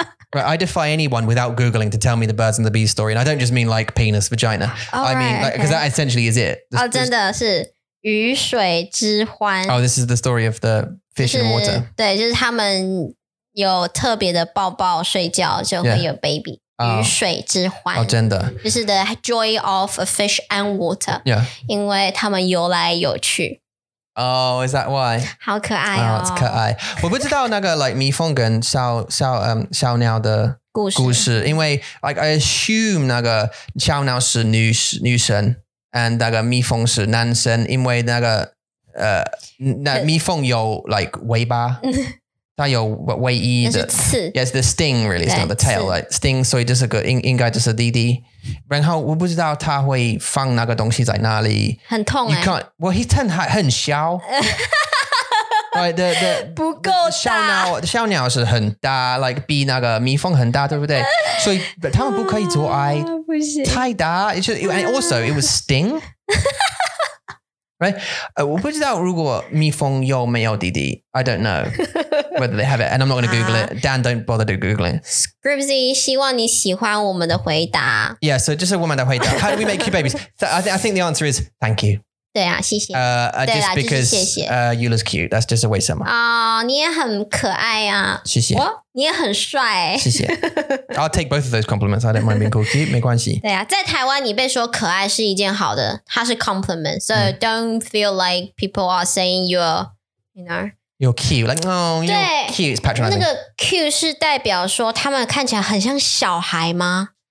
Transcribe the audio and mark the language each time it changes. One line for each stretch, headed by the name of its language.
English: Right, I defy anyone without Googling to tell me the birds and the bees story. And I don't just mean like penis, vagina. Oh, I mean, because that essentially is it.
Chinese: Oh, 真的是,鱼水之欢。
English: Oh, this is the story of the fish in water.
Chinese: 对，就是他们有特别的抱抱睡觉就会有 baby。雨水之欢 oh, oh, 真的就是
English: the joy of a fish and water、 yeah.
Chinese: 因为他们游来游去
English: Oh, is that why?
Chinese: 好可爱哦、 oh, 可爱我不知道那个 like, 蜜蜂跟 小鸟的故事因为 like,
English: I assume
Chinese: 那个小鸟是 女生
English: and
Chinese: 那个蜜蜂是男生因为那个那蜜蜂有 like, 尾巴它有唯一的刺
English: Yes, the sting really It's not the tail like, Sting,
Chinese: 所以就是个应该就是滴滴然后我不知道它会放那个东西在哪里很痛
English: 耶 Well, he's
Chinese: 很小
English: right, the,
Chinese: 不够大小鸟是很大 like, 比那个蜜蜂很大对不对所以他们不可以做爱不行太大
English: it's just, And also, it was sting Right?
Chinese: 我不知道如果蜜蜂有没有滴滴
English: I don't know whether they have it. And I'm not going to Google it. Dan, don't bother to Googling.
Chinese: Scribzy, 希望你喜欢我们的回答。
English: Yeah, so just a woman
Chinese: 的回答。
English: How do we make you babies? I think the answer is thank you.
Chinese: 对啊，谢谢。
English: Just because
Chinese: 就是谢谢
English: Eula's cute. That's just a way some.
Chinese: Oh, 你也很可爱啊。谢谢。你也很帅。
English: 谢谢。I'll take both of those compliments. I don't mind being called cute.
Chinese: 没关系。对啊，在台湾你被说可爱是一件好的，它是 compliment.
English: So don't feel like people are saying you're cute, like, oh, you're cute, it's patronizing.
Chinese: 那个 cute 是代表说他们看起来很像小孩吗?